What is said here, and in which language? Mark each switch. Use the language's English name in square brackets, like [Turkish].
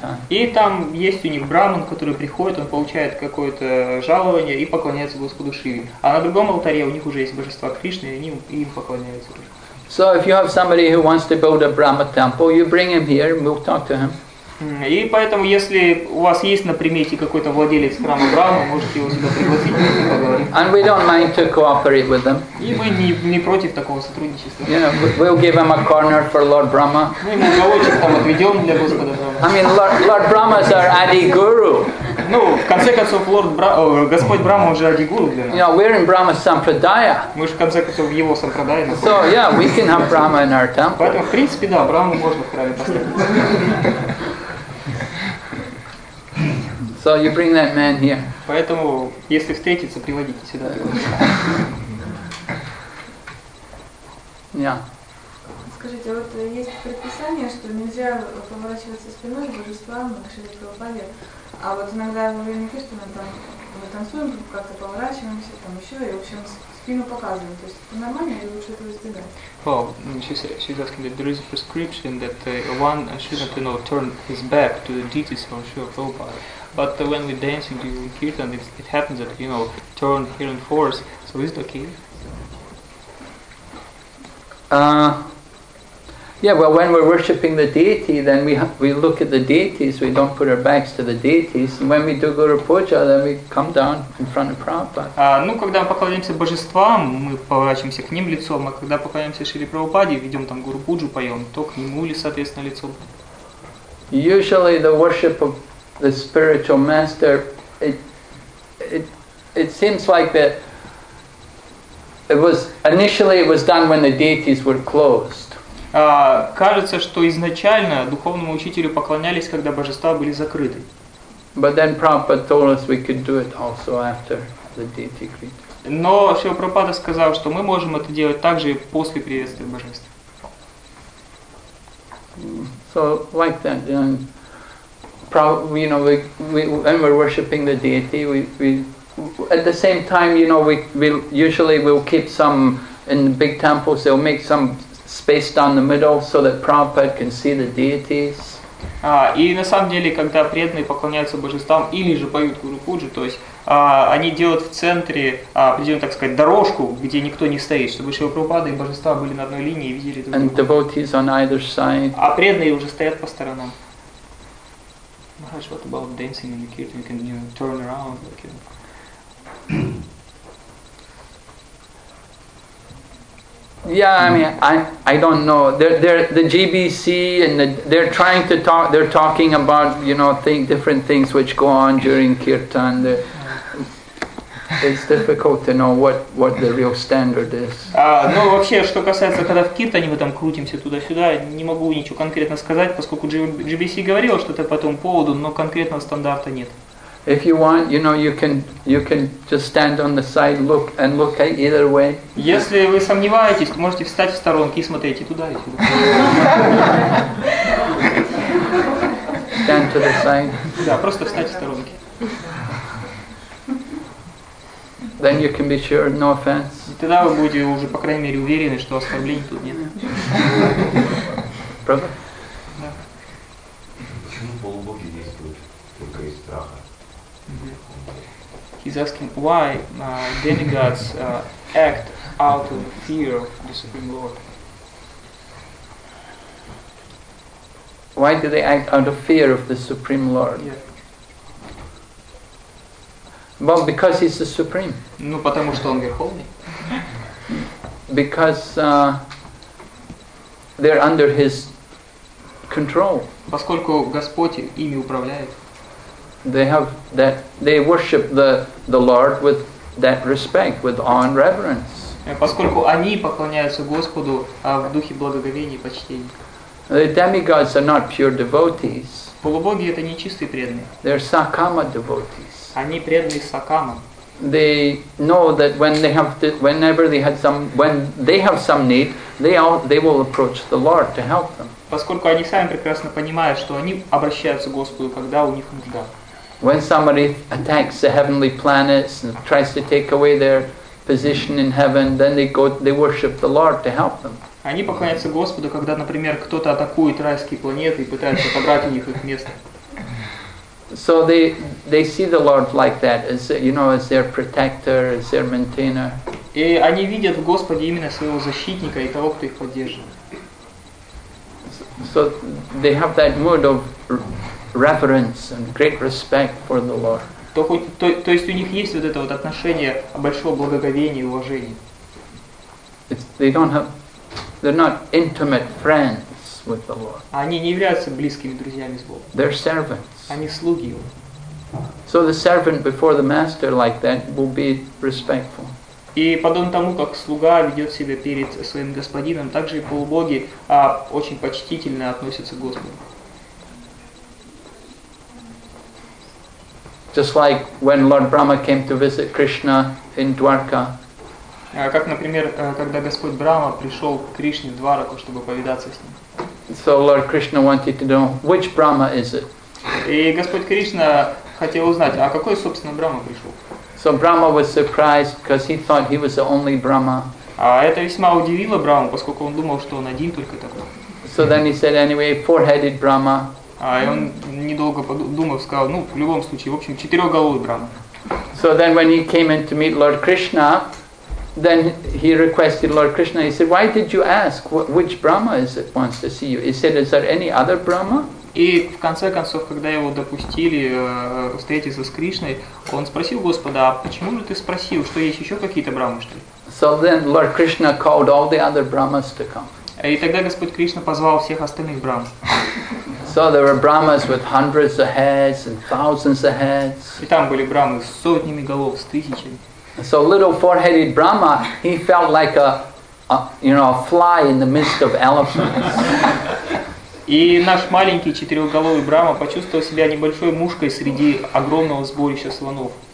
[Russian] И там есть у них браман, который приходит, он получает какое-то жалование и поклоняется Господу Шиве. А на другом алтаре у них уже есть божество Кришны, и они им поклоняются. [English] So if you have somebody who wants to build a Brahma temple, you bring him here and we'll talk to him. [Russian] И поэтому, если у вас есть на примете какой-то владелец храма Брама, можете его сюда пригласить, мы с ним поговорим. [English] And we don't mind to cooperate with them. [Russian] И мы не против такого сотрудничества. [English] You know, we'll give him a corner for Lord Brahma. [Russian] Мы ему уголочек там отведем для Господа Брама. [English] I mean, Lord Brahma is our Adi Guru. [Russian] Ну, в конце концов, Господь Брама уже Adi Guru для нас. [English] You know, we're in Brahma Sampradaya. [Russian] Мы же в конце концов в его Сампрадайе находимся. [English] So, yeah, we can have Brahma in our temple. [Russian] Поэтому, в принципе, да, Браму можно в храме поставить. [English] So you bring that man here. [Russian] Поэтому, если встретиться, приводите сюда. Скажите, вот есть предписание, что нельзя поворачиваться спиной к божествам, к Шри Прабхупаде. А вот иногда во время киртана там мы танцуем, как-то поворачиваемся, там еще, и в общем спину показываем. То есть это нормально или лучше этого избегать? [English] Oh, she's asking that there is a prescription that one shouldn't, you know, turn his back to the deities of Shri Prabhupada. But when we're dancing during kirtan, it happens that, you know, turn here and force. So is it okay? Yeah, well, when we're worshipping the deity, then we look at the deities. We don't put our backs to the deities. And when we do Guru Puja, then we come down in front of Prabhupada. [Russian] Ну, когда мы поклоняемся божествам, мы поворачиваемся к ним лицом. А когда поклоняемся Шри Прабхупаде, ведем там Гуру Пуджу, поем, то к нему ли, соответственно, лицом? [English] Usually the worship of the spiritual master, it seems like that it was initially it was done when the deities were closed. [Russian] Кажется, что изначально духовному учителю поклонялись, когда божества были закрыты. [English] But then Prabhupada told us we could do it also after the deity greet. [Russian] Но Шрила Прабхупада сказал, что мы можем это делать также после приветствия божеств. [English] So like that then. You know, when we're worshiping the deity, at the same time, you know, we'll keep some in the big temples. They'll make some space down the middle so that Prabhupada can see the deities. [Russian] И на самом деле, когда преданные поклоняются божествам или же поют Гуру Пуджу, то есть они делают в центре определенную, так сказать, дорожку, где никто не стоит, чтобы Шрила Прабхупада и божества были на одной линии и видели друг друга. [English] And devotees on either side. [Russian] А преданные уже стоят по сторонам. [English] Maharaj, what about dancing in the kirtan? Can you turn around? Like, you know? Yeah, I mean, I don't know. The GBC and they're trying to talk. They're talking about, you know, different things which go on during kirtan. It's difficult to know what the real standard is. [Russian] Ну вообще, что касается, когда в киртане мы там крутимся туда-сюда, не могу ничего конкретно сказать, поскольку GBC говорил что-то по этому поводу, но конкретного стандарта нет. [English] If you want, you know, you can just stand on the side, look either way. [Russian] Если вы сомневаетесь, то можете встать в сторонке и смотреть и туда, и сюда. [English] Stand to the side. [Russian] Да, просто встать в сторонке. [English] Then you can be sure, no offense. [Russian] Тогда вы будете уже, по крайней мере, уверены, что оскорблений тут нет. Правда? Да. Почему полубоги действуют только из страха? [English] He's asking why demigods act out of fear of the Supreme Lord. Why do they act out of fear of the Supreme Lord? Yeah. Well, because he's the supreme. [Russian] Ну потому что он верховный. [English] Because they're under his control. [Russian] Поскольку Господь ими управляет. [English] They have that. They worship the Lord with that respect, with awe and reverence. [Russian] Поскольку они поклоняются Господу в духе благоговения и почтения. [English] The demigods are not pure devotees. [Russian] Полубоги это не чистые преданные. [English] They're sakama devotees. [Russian] Они преданы сакамам. [English] They know that when they have some need, they will approach the Lord to help them. [Russian] Поскольку они сами прекрасно понимают, что они обращаются к Господу, когда у них нужда. [English] When somebody attacks the heavenly planets and tries to take away their position in heaven, then they worship the Lord to help them. [Russian] Они поклоняются Господу, когда, например, кто-то атакует райские планеты и пытается отобрать у них их место. [English] So they see the Lord like that, as, you know, as their protector, as their maintainer. [Russian] И они видят в Господе именно своего защитника и того, кто их поддерживает. [English] So they have that mood of reverence and great respect for the Lord. [Russian] То есть у них есть вот это вот отношение большого благоговения и уважения. [English] They don't have, they're not intimate friends with the Lord. [Russian] Они не являются близкими друзьями с Богом. [English] They're servants. [Russian] Они слуги Его. [English] So the servant before the master like that will be respectful. [Russian] И подобно тому, как слуга ведет себя перед своим господином, также и полубоги очень почтительно относятся к Господу. [English] Just like when Lord Brahma came to visit Krishna in Dwarka. [Russian] Как, например, когда Господь Брама пришел к Кришне в Двараку, чтобы повидаться с ним. [English] So Lord Krishna wanted to know which Brahma is it. [Russian] И Господь Кришна хотел узнать, а какой, собственно, Брама пришел? [English] So Brahma was surprised because he thought he was the only Brahma. [Russian] А это весьма удивило Браму, поскольку он думал, что он один только такой. [English] So then he said, anyway, four-headed Brahma. [Russian] А и он недолго подумав сказал, ну в любом случае, в общем, четырехголовый Брама. [English] So then when he came in to meet Lord Krishna, then he requested Lord Krishna. He said, why did you ask which Brahma is it wants to see you? He said, is there any other Brahma? [Russian] И в конце концов, когда его допустили встретиться с Кришной, он спросил Господа, а почему же ты спросил, что есть еще какие-то брамы, что ли? [English] So then Lord Krishna called all the other brahmas to come. [Russian] И тогда Господь Кришна позвал всех остальных брам. [English] So there were brahmas with hundreds of heads and thousands of heads. [Russian] И там были брамы с сотнями голов, с тысячами. [English] So little four-headed Brahma, he felt like a fly in the midst of elephants. [Russian] И наш маленький четырехголовый Брама почувствовал себя небольшой мушкой среди огромного сборища слонов.